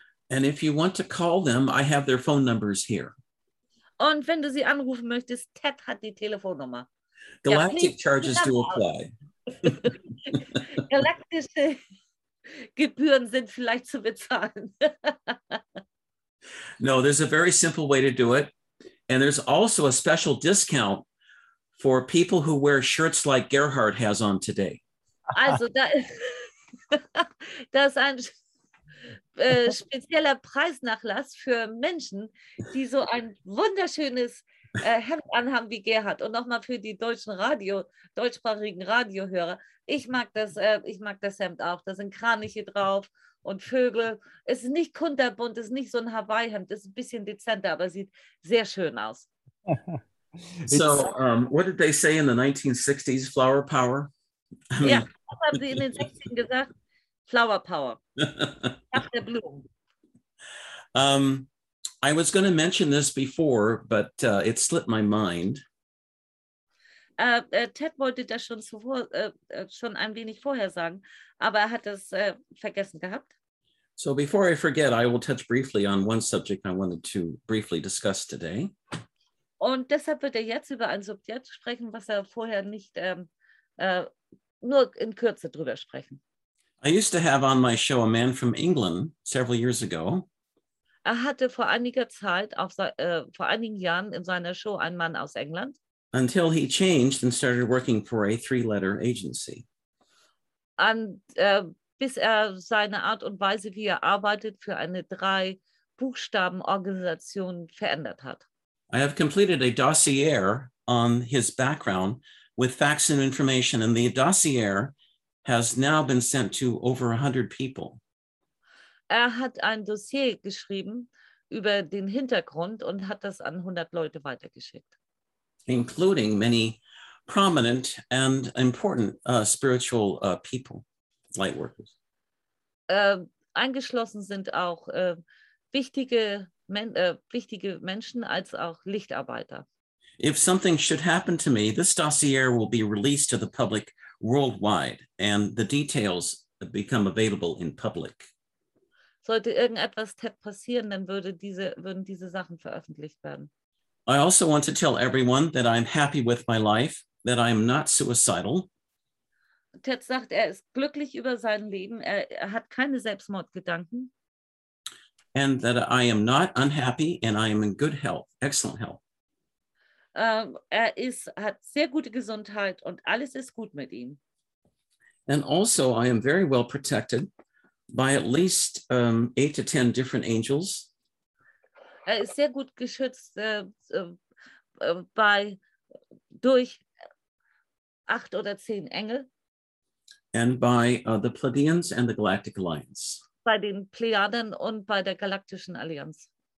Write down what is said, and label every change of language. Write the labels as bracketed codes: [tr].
[en] And if you want to call them, I have their phone numbers here. [de] Und wenn du sie anrufen möchtest, Ted hat die Telefonnummer. [en] Galactic charges do apply. [de] Galaktische Gebühren sind vielleicht zu bezahlen. [en] No, there's a very simple way to do it. And there's also a special discount for people who wear shirts like Gerhard has on today. [de] Also, da ist ein spezieller Preisnachlass für Menschen, die so ein wunderschönes Hemd anhaben wie Gerhard. Und nochmal für die deutschsprachigen Radiohörer. Ich mag das Hemd auch. Da sind Kraniche drauf und Vögel. Es ist nicht kunterbunt, es ist nicht so ein Hawaii-Hemd. Es ist ein bisschen dezenter, aber sieht sehr schön aus. [en] So, what did they say in the 1960s, flower power? [de] Ja, was haben sie in den 60ern gesagt? [en] Flower power. [de] Nach der Blume. [en] I was going to mention this before, but it slipped my mind. [de] Ted wollte das schon ein wenig vorher sagen, aber er hat es vergessen gehabt. [en] So before I forget, I will touch briefly on one subject I wanted to briefly discuss today. [de] Und deshalb wird er jetzt über ein Subjekt sprechen, was er vorher nicht nur in Kürze drüber sprechen. [en] I used to have on my show a man from England several years ago. [de] Er hatte vor einiger Zeit, vor einigen Jahren in seiner Show einen Mann aus England. [en] Until he changed and started working for a three-letter agency. [de] Bis er seine Art und Weise, wie er arbeitet, für eine Drei-Buchstaben-Organisation verändert hat. [en] I have completed a dossier on his background with facts and information, and the dossier has now been sent to over 100 people. [de] Er hat ein Dossier geschrieben über den Hintergrund und hat das an 100 Leute weitergeschickt. [en] Including many prominent and important spiritual people, light workers. [de] Eingeschlossen sind auch wichtige Menschen als auch Lichtarbeiter. [en] If something should happen to me, this dossier will be released to the public worldwide and the details become available in public. [de] Sollte irgendetwas Ted passieren, dann würden diese Sachen veröffentlicht werden. [en] I also want to tell everyone that I'm happy with my life, that I am not suicidal. [de] Ted sagt, er ist glücklich über sein Leben, er hat keine Selbstmordgedanken. [en] And that I am not unhappy and I am in good health, excellent health. [de] Er hat sehr gute Gesundheit und alles ist gut mit ihm. [en] And also I am very well protected by at least 8 to 10 different angels. [de] Er ist sehr gut geschützt durch 8 oder 10 Engel. [en] And by the Pleiadians and the Galactic Alliance. [de] Bei den Plejaden und bei der Galaktischen Allianz.